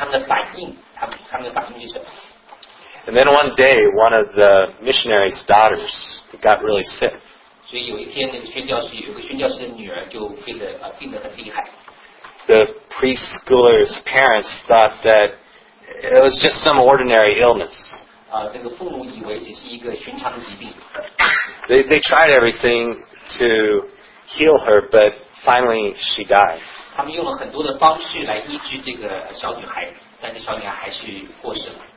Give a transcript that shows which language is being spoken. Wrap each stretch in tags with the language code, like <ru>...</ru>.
<zh>这个计划就是他们要下毒，杀死他们中间一个人，让他们看他们的反应，他们的反应是什么。</zh> <en>And then one day, one of the missionary's daughters got really sick.</en> <zh>所以有一天，那个宣教士的女儿就病得很厉害。</zh> <en>The preschooler's parents thought that it was just some ordinary illness.</en> <zh>那个父母以为只是一个寻常的疾病。</zh> <en>They tried everything to heal her, but finally she died.</en> <zh>他们用了很多的方式来医治这个小女孩，但是小女孩还是过世了。</zh>